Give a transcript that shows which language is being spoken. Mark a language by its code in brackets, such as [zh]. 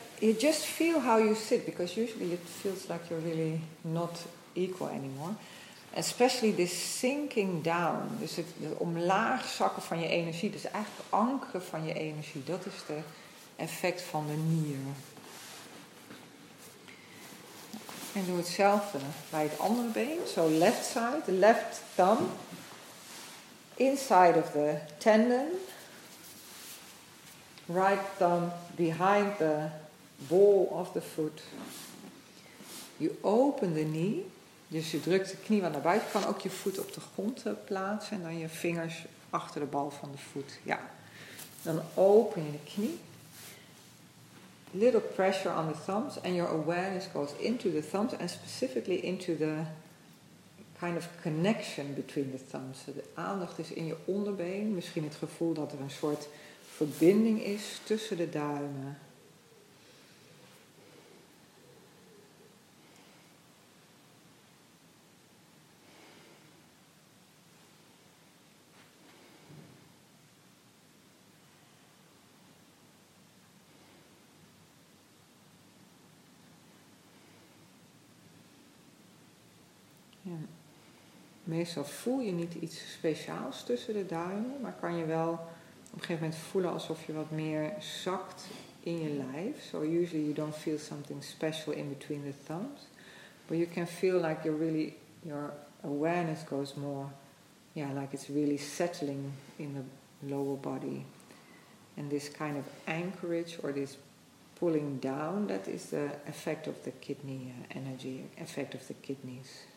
[en] You just feel how you sit, because usually it feels like you're really not equal anymore. Especially this sinking down, [nl] dus het omlaag zakken van je energie, dus eigenlijk ankeren van je energie. Dat is de effect van de nier. En doe hetzelfde bij het andere been, [en] so left side, the left thumb, inside of the tendon, right thumb behind the ball of the foot. You open the knee. [nl] Dus je drukt de knie wat naar buiten. Je kan ook je voet op de grond plaatsen. En dan je vingers achter de bal van de voet. Ja. Dan open je de knie. [en] Little pressure on the thumbs. And your awareness goes into the thumbs. And specifically into the kind of connection between the thumbs. [nl] De aandacht is in je onderbeen. Misschien het gevoel dat er een soort verbinding is tussen de duimen. Meestal voel je niet iets speciaals tussen de duimen, maar kan je wel op een gegeven moment voelen alsof je wat meer zakt in je lijf. [en] So usually you don't feel something special in between the thumbs. But you can feel like you're really, your awareness goes more, yeah, like it's really settling in the lower body. And this kind of anchorage or this pulling down, that is the effect of the kidney energy, effect of the kidneys.